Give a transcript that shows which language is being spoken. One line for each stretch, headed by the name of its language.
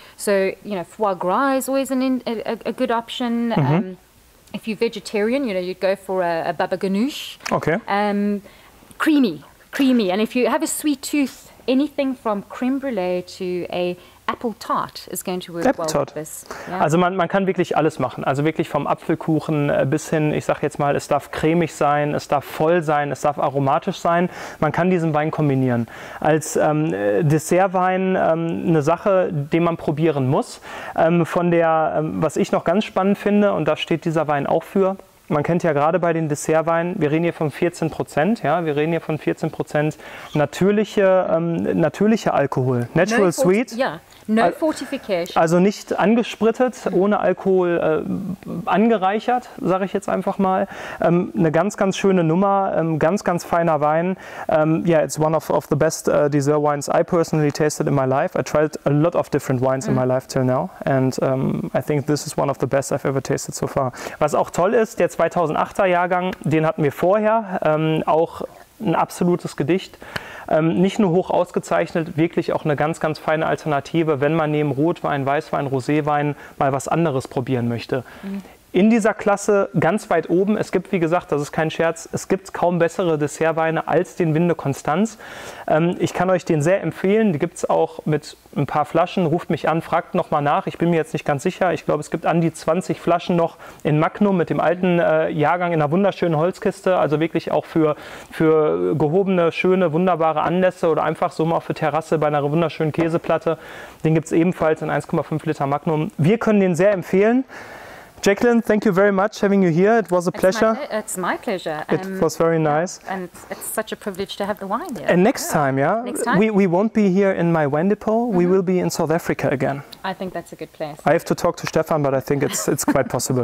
English: So, you know, foie gras is always a good option. Mm-hmm. If you're vegetarian, you know, you'd go for a baba ganoush. Okay. Creamy. And if you have a sweet tooth, anything from creme brulee to a apple tart is going to work well with this. Yeah.
German: Also man kann wirklich alles machen. Also wirklich vom Apfelkuchen bis hin, ich sage jetzt mal, es darf cremig sein, es darf voll sein, es darf aromatisch sein. Man kann diesen Wein kombinieren. Als Dessertwein eine Sache, die man probieren muss. Was ich noch ganz spannend finde, und da steht dieser Wein auch für, man kennt ja gerade bei den Dessertweinen, wir reden hier von 14%, ja, wir reden hier von 14% natürlicher Alkohol,
English: natural sweet.
German: Ja.
English: No fortification.
German: Also nicht angesprittet, ohne Alkohol angereichert, sage ich jetzt einfach mal. Eine ganz, ganz schöne Nummer, ganz, ganz feiner Wein.
English: Yeah, it's one of the best dessert wines I personally tasted in my life. I tried a lot of different wines in my life till now. And I think this is one of the best I've ever tasted so far.
German: Was auch toll ist, der 2008er Jahrgang, den hatten wir vorher, auch ein absolutes Gedicht. Nicht nur hoch ausgezeichnet, wirklich auch eine ganz, ganz feine Alternative, wenn man neben Rotwein, Weißwein, Roséwein mal was anderes probieren möchte. In dieser Klasse ganz weit oben, es gibt, wie gesagt, das ist kein Scherz, es gibt kaum bessere Dessertweine als den Winde Konstanz. Ich kann euch den sehr empfehlen, die gibt es auch mit ein paar Flaschen, ruft mich an, fragt nochmal nach, ich bin mir jetzt nicht ganz sicher, ich glaube, es gibt an die 20 Flaschen noch in Magnum mit dem alten Jahrgang in einer wunderschönen Holzkiste, also wirklich auch für gehobene, schöne, wunderbare Anlässe oder einfach so mal für Terrasse bei einer wunderschönen Käseplatte, den gibt es ebenfalls in 1,5 Liter Magnum. Wir können den sehr empfehlen.
English: Jacqueline, thank you very much having you here. It was a pleasure. It's my pleasure. It was very nice. And it's such a privilege to have the wine here. And next time, yeah? Next time? We won't be here in my wine depot. Mm-hmm. We will be in South Africa again. I think that's a good place. I have to talk to Stefan, but I think it's quite possible.